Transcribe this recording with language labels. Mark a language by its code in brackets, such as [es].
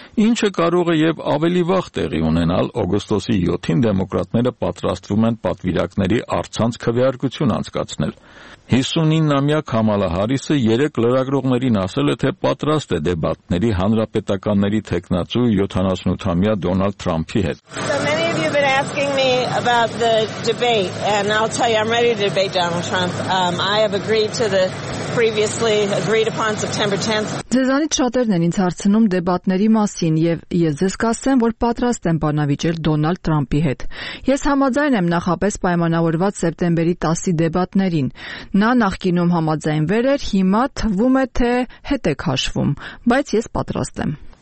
[hy] ինչը կարող է և ավելի վաղ տեղի ունենալ օգոստոսի 7-ին դեմոկրատները պատրաստվում են պատվիրակների առցանց քվեարկություն անցկացնել։ 59-ամյա Քամալա Հարիսը 3 լրագրողներին ասել է, թե պատրաստ է դեբատների հանրապետականների թեկնածու 78-ամյա Դոնալդ Թրամփի հետ։ [en] Asking me about the debate, and I'll tell you, I'm ready to debate Donald Trump. I have agreed to the previously agreed upon September 10th. [hy] Ձեզանից շատերն են ինձ հարցնում դեբատների մասին, և ես ձեզ կասեմ, որ պատրաստ եմ բանավիճել Դոնալդ Թրամփի հետ. Ես համաձայն եմ նախապես պայմանավորված սեպտեմբերի 10-ի դեբատներին. Նա նախկինում համաձայնվել էր, հիմա թվում է, թե հետ է քաշվում, բայց ես պատրաստ եմ.